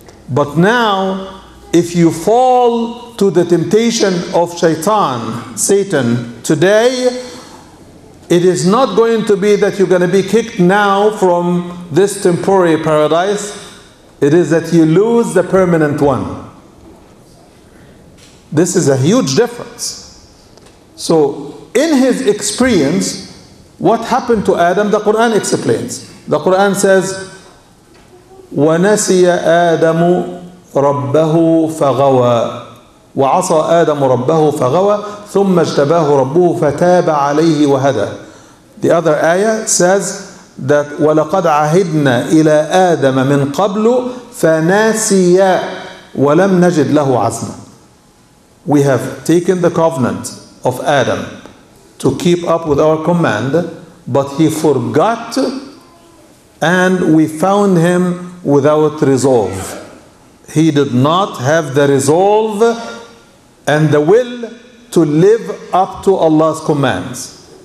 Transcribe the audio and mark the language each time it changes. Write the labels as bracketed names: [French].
[English] But now, if you fall to the temptation of Shaitan, Satan, today, it is not going to be that you're going to be kicked now from this temporary paradise. It is that you lose the permanent one. This is a huge difference. So in his experience, what happened to Adam, the Quran explains. The Quran says, [Arabic] وَنَسِيَ آدَمُ رَبَّهُ فَغَوَى. وعصى آدم ربه فغوى ثم اجتباه ربه فتاب عليه وهدى. [English] The other ayah says that [Arabic] ولقد عهدنا إلى آدم من قبل فناسيا ولم نجد له عزما. [English] We have taken the covenant of Adam to keep up with our command, but he forgot and we found him without resolve. He did not have the resolve and the will to live up to Allah's commands.